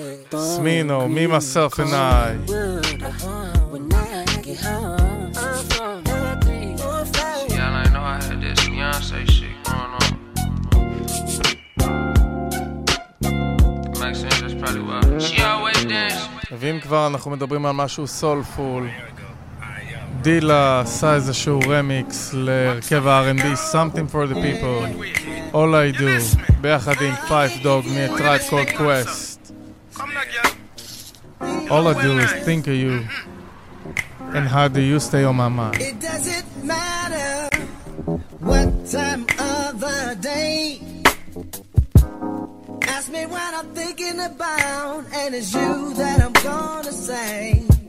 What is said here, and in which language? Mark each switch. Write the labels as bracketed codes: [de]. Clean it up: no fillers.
[en] Smino, me, myself, and I. When I get home, I'm from 3, 4, 5. See, y'all ain't know I had this Beyonce shit going on. Maxine, that's probably why. She always dance. [he] ואם כבר אנחנו מדברים על משהו soulful, דילה עשה איזשהו רמיקס לרכב ה-R&B, Something for the People, All I Do, ביחד עם Five Dog, מ-Tribe Called Quest. [en] All I do is think of you. And how do you stay on my mind? It doesn't matter what time of the day. Ask me what I'm thinking about, and it's you that I'm gonna say.